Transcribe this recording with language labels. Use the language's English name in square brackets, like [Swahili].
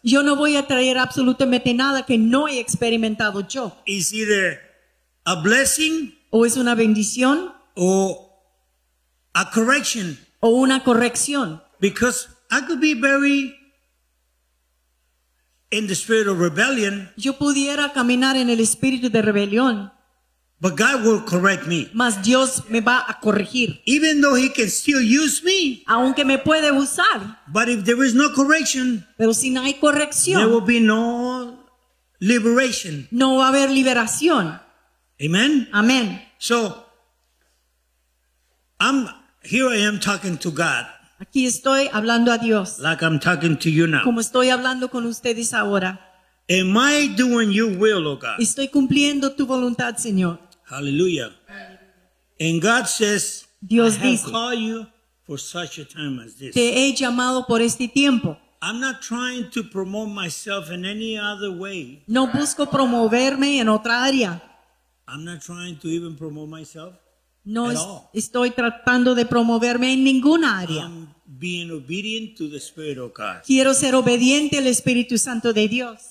[Spanish] Yo no voy a traer absolutamente nada que no he experimentado yo. [English] It's either a blessing, [Spanish] o es una bendición, [English] or a correction, [Spanish] o una corrección. [English] Because I could be very in the spirit of rebellion. [Spanish] Yo pudiera caminar en el espíritu de rebelión. [English] But God will correct me. [Spanish] Mas Dios me va a corregir. [English] Even though he can still use me. [Spanish] Aunque me puede usar. [English] But if there is no correction, [Spanish] pero si no hay corrección, [English] there will be no liberation. [Spanish] No va a haber liberación. [English] Amen. Amen. So, here I am talking to God. [Spanish] Aquí estoy hablando a Dios. [English] Like I'm talking to you now. [Spanish] Como estoy hablando con ustedes ahora. [English] Am I doing your will, oh God? [Spanish] Estoy cumpliendo tu voluntad, Señor. [English] Hallelujah. And God says, [Spanish] Dios [English] I have [Spanish] dice, [English] called you for such a time as this. [Spanish] Te he llamado por este tiempo. [English] I'm not trying to promote myself in any other way. [Spanish] No busco promoverme en otra área. [English] I'm not trying to even promote myself [Spanish] no [English] at all. [Spanish] Estoy tratando de promoverme en ninguna área. [English] I'm being obedient to the Spirit of God. [Spanish] Quiero ser obediente al Espíritu Santo de Dios.